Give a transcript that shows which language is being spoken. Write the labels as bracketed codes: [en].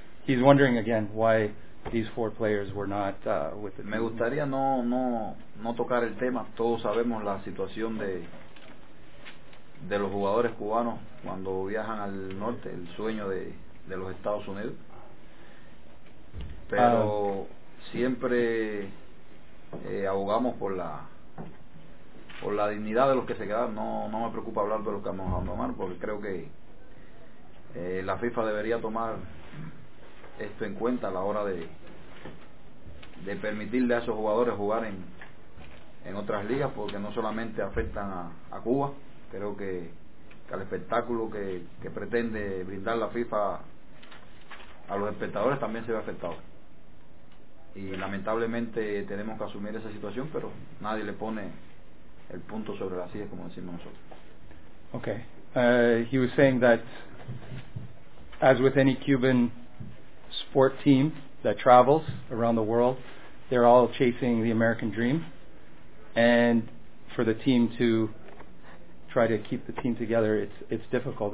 [en] He's wondering again why these four players were not with the team. [es] Me gustaría no tocar el tema. Todos sabemos la situación de los jugadores cubanos cuando viajan al norte, el sueño de los Estados Unidos. Pero siempre abogamos por la dignidad de los que se quedan. No me preocupa hablar de los que vamos a tomar, porque creo que la FIFA debería tomar esto en cuenta a la hora de permitirle a esos jugadores jugar en otras ligas, porque no solamente afectan a Cuba. Creo que al espectáculo que pretende brindar la FIFA a los espectadores también se ve afectado. Y lamentablemente tenemos que asumir esa situación, pero nadie le pone el punto sobre las íes, como decimos nosotros. [en] Okay. He was saying that, as with any Cuban sport team that travels around the world, they're all chasing the American dream. And for the team to try to keep the team together, it's difficult.